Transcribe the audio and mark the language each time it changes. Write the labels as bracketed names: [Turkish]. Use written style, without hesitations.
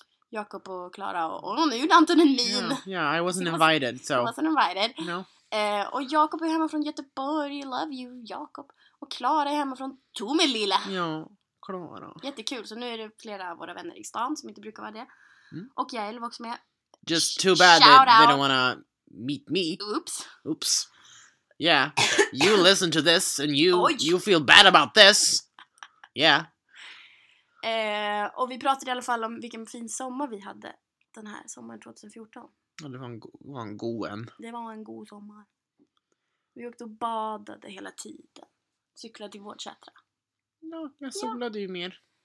[Swedish] Jakob och Klara. Och nu gjorde Anton en min. [English] Yeah, I wasn't invited. So. I wasn't invited. No. [Swedish] Och Jakob är hemma från Göteborg. [English] Love you, Jakob. [Swedish] Och Klara är hemma från Tomelilla. Ja, Klara. Jättekul. Så nu är det flera av våra vänner i stan som inte brukar vara det. Mm. Och Jael var också med. [English] Just too bad that they don't wanna meet me. Oops. Oops. Yeah. You listen to this and you feel bad about this. Yeah. [Swedish] Och vi pratade i alla fall om vilken fin sommar vi hade den här sommaren 2014. Ja, det var en god en. Det var en god sommar. Vi åkte och badade hela tiden. Cyklade till Vårdsätra. Ja, jag solade ju mer.